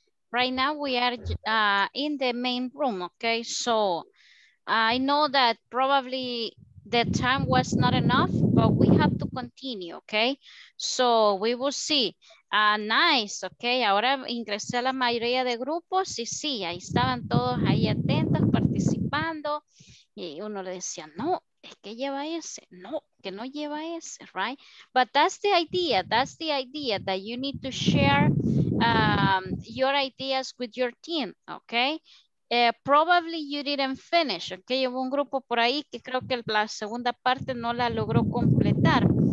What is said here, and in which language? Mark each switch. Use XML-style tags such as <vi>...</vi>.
<en>Right now we are in the main room, okay? So I know that probably the time was not enough, but we have to continue, okay? So we will see. Nice, okay?</en> <es>Ahora ingresé a la mayoría de grupos y sí, ahí estaban todos ahí atentos, participando. Y uno le decía, no, es que lleva ese. No, que no lleva ese,</es> <en>right? But that's the idea. That's the idea that you need to share your ideas with your team, okay? Probably you didn't finish, okay?</en> <es>Hubo un grupo por ahí que creo que la segunda parte no la logró completar.</es>